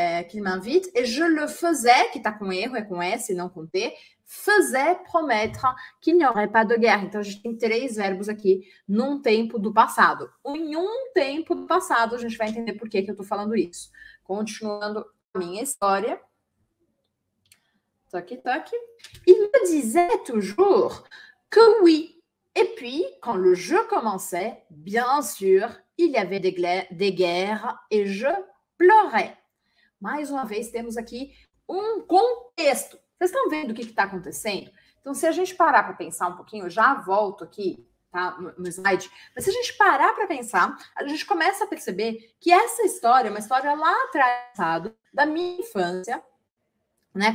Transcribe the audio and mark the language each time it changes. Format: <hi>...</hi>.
<fr>Qu'il m'invite. Et je le faisais,</fr> <pt>que está com erro, é com S e não com T.</pt> <fr>Faisait promettre qu'il n'y aurait pas de guerre.</fr> <pt>Então, a gente tem três verbos aqui num tempo do passado. Em um tempo do passado, a gente vai entender por que eu estou falando isso. Continuando a minha história. Toque, toque.</pt> <fr>Il me disait toujours que oui. Et puis, quand le jeu commençait, bien sûr, il y avait des guerres et je pleurais.</fr> <pt>Mais uma vez, temos aqui um contexto. Vocês estão vendo o que está acontecendo? Então, se a gente parar para pensar um pouquinho, eu já volto aqui, tá, no slide. Mas se a gente parar para pensar, a gente começa a perceber que essa história é uma história lá atrás da minha infância, né?</pt>